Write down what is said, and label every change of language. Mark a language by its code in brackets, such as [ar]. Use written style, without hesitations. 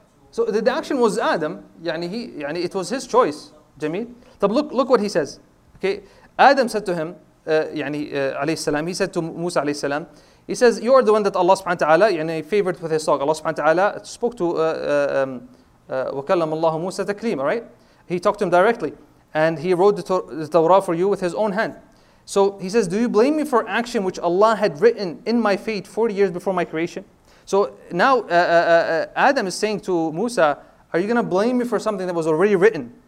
[en] So the action was Adam. يعني it was his choice. [ar] جميل. [en] طب look what he says. Okay, Adam said to him, عليه السلام. He said to موسى عليه السلام. He says, "You are the one that Allah سبحانه وتعالى يعني favored with his song. [ar] Allah سبحانه وتعالى [en] spoke to [ar] وكلم الله موسى تكليما. [en] Right? He talked to him directly, and he wrote the Torah for you with his own hand. So he says, "Do you blame me for action which Allah had written in my fate 40 years before my creation?" So now Adam is saying to Musa, are you going to blame me for something that was already written?